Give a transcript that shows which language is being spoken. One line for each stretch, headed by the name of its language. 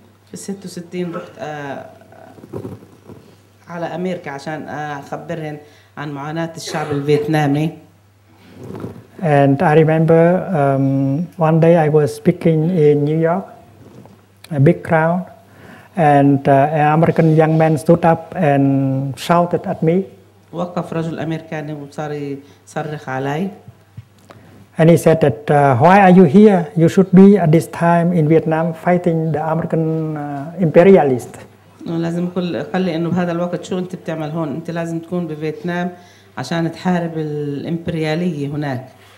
Arabic: في 66 رحت على أمريكا عشان أخبرهم عن معاناة الشعب الفيتنامي.
English: And I remember one day I was speaking in New York, a big crowd, and an American young man stood up and shouted at me.
Arabic: وقف رجل أمريكاني وصار يصرخ علي.
English: And he said that why are you here? You should be at this time in Vietnam fighting the American imperialist.
Arabic: لازم كل قال لي انه بهذا الوقت شو انت بتعمل هون انت لازم تكون بفيتنام عشان تحارب الامبرياليه هناك